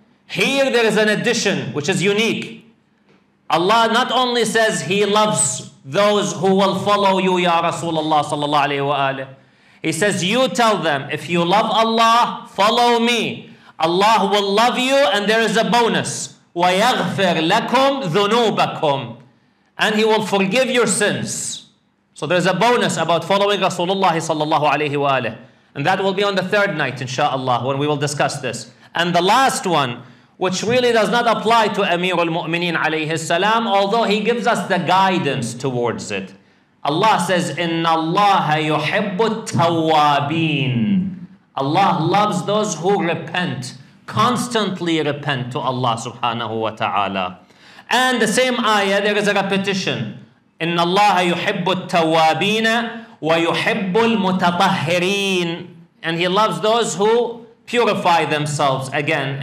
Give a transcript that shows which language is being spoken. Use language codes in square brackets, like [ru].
[en] Here there is an addition which is unique. Allah not only says he loves those who will follow you, ya Rasulullah sallallahu alayhi wa alayhi, he says you tell them, if you love Allah, follow me, Allah will love you, and there is a bonus, [ar] وَيَغْفِرْ لَكُمْ ذُنُوبَكُمْ, [en] and he will forgive your sins. So there's a bonus about following Rasulullah sallallahu alayhi wa alayhi. And that will be on the third night, inshallah, when we will discuss this. And the last one, which really does not apply to Amir al-Mu'mineen alayhi salam, although he gives us the guidance towards it. Allah says, [ar] إِنَّ اللَّهَ يُحِبُّ التَّوَّابِينَ. [en] Allah loves those who repent, constantly repent to Allah subhanahu wa ta'ala. And the same ayah, there is a repetition. [ar] إِنَّ اللَّهَ يُحِبُّ التَّوَّابِينَ وَيُحِبُّ الْمُتَطَهِّرِينَ. [en] And he loves those who purify themselves again.